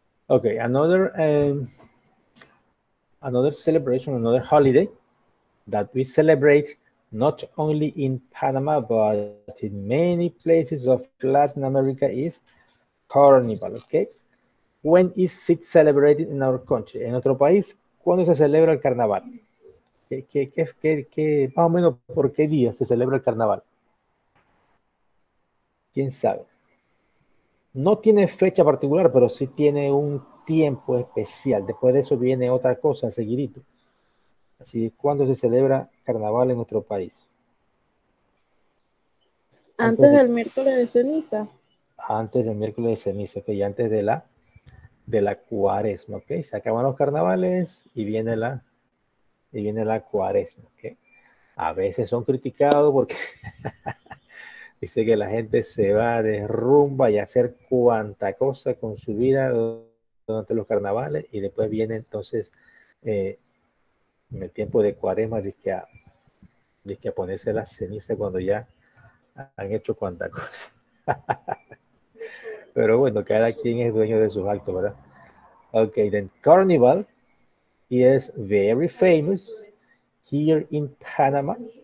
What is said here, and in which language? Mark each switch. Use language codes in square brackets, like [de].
[en] Okay, another celebration, another holiday that we celebrate not only in Panama but in many places of Latin America is Carnival. Okay, when is it celebrated in our country? [es] En otro país, ¿cuándo se celebra el carnaval? ¿Qué, más o menos por qué día se celebra el carnaval? ¿Quién sabe? No tiene fecha particular, pero sí tiene un tiempo especial. Después de eso viene otra cosa seguidito. Así que, ¿cuándo se celebra carnaval en nuestro país? Antes del miércoles de ceniza. Antes del miércoles de ceniza, que okay, ya antes de la cuaresma, ¿ok? Se acaban los carnavales y viene la cuaresma, ¿ok? A veces son criticados porque dice que la gente se va de rumba y hacer cuanta cosa con su vida durante los carnavales, y después viene entonces en el tiempo de cuaresma dizque a ponerse la ceniza cuando ya han hecho cuanta cosa. Pero bueno, cada quien es dueño de sus actos, ¿verdad? [en] Ok, then Carnival is very famous here in Panama.